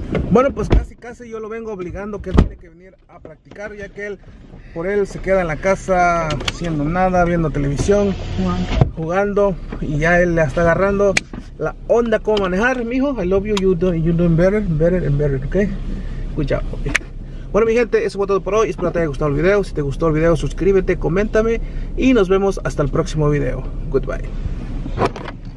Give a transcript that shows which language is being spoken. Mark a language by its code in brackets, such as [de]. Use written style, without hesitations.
[es] Bueno, pues casi yo lo vengo obligando que él tiene que venir a practicar, ya que él por él se queda en la casa haciendo nada, viendo televisión, jugando, y ya él le está agarrando la onda cómo manejar. [en] Mijo, I love you, you're doing better, ok? Good job, okay. [es] Bueno, mi gente, eso fue todo por hoy. Espero te haya gustado el video. Si te gustó el video, suscríbete, coméntame, y nos vemos hasta el próximo video. Goodbye.